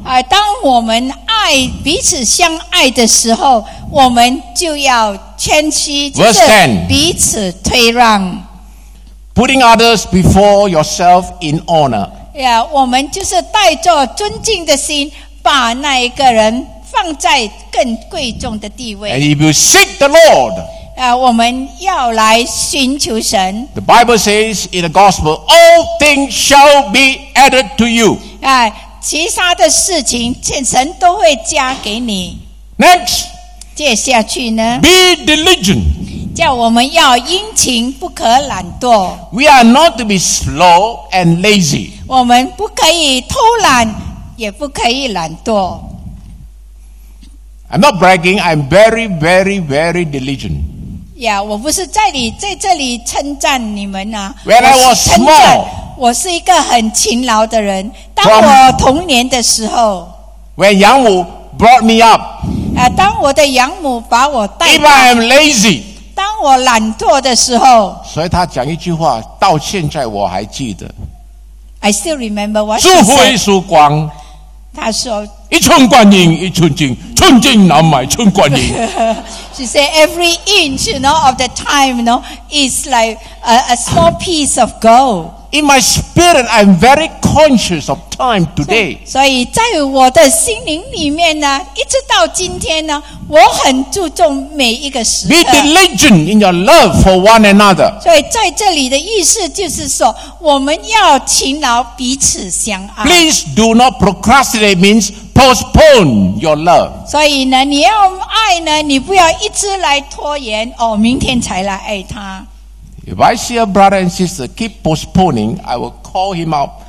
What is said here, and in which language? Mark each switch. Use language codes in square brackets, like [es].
[zh] 当我们爱彼此相爱的时候，我们就要谦虚，就是彼此退让。 [en] Putting others before yourself in honor. [zh] Yeah, 我们就是带着尊敬的心，把那一个人放在更贵重的地位。 [en] And if you seek the Lord, [zh] 我们要来寻求神。 [en] The Bible says in the gospel, all things shall be added to you. [zh] 其他的事情，神都会加给你。 [en] Next, [zh] 接下去呢 [en] ？Be diligent. [zh] 叫我们要殷勤，不可懒惰。 [en] We are not to be slow and lazy. [zh] 我们不可以偷懒，也不可以懒惰。 [en] I'm not bragging, I'm very, very, very diligent. [zh] Yeah, 我不是在这里称赞你们啊。 [en] When I was small, [zh] 我是一个很勤劳的人。当我童年的时候 [en] when 养母 brought me up, [zh] 当我的养母把我带大 [en] if I am lazy, [zh] 当我懒惰的时候，所以他讲一句话，到现在我还记得。 [en] I still remember what [zh] 祝福一束光。他说一寸观音一寸金，寸金难买寸观音。 [en] She said every inch, you know, of the time, you know, is like a small piece of gold. In my spirit, I'm very conscious of time today. [zh] 所以在我的心灵里面呢，一直到今天呢，我很注重每一个时刻。 [en] Be diligent in your love for one another. [zh] 所以在这里的意思就是说，我们要勤劳彼此相爱。 [en] Please do not procrastinate means postpone your love. [zh] 所以呢，你要爱呢，你不要一直来拖延，哦，明天才来爱他。 [en] If I see a brother and sister keep postponing, I will call him out.